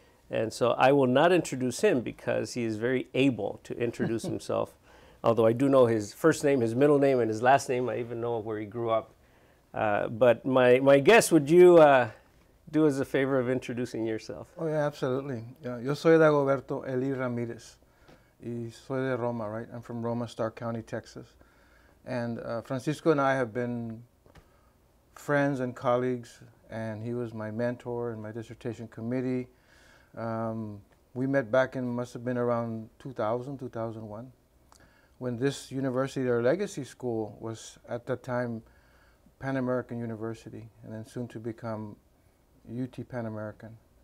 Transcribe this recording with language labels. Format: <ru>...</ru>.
<en>And so I will not introduce him because he is very able to introduce himself, although I do know his first name, his middle name, and his last name. I even know where he grew up. But my guest, would you do us a favor of introducing yourself? Oh, yeah, absolutely. Yeah.</en> <es>Yo soy Dagoberto Eli Ramirez. Y soy de Roma,</es> <en>right? I'm from Roma, Starr County, Texas. And Francisco and I have been friends and colleagues, and he was my mentor in my dissertation committee. We met back in, must have been around 2000, 2001, when this university, our legacy school, was at that time Pan American University, and then soon to become UT Pan American.</en>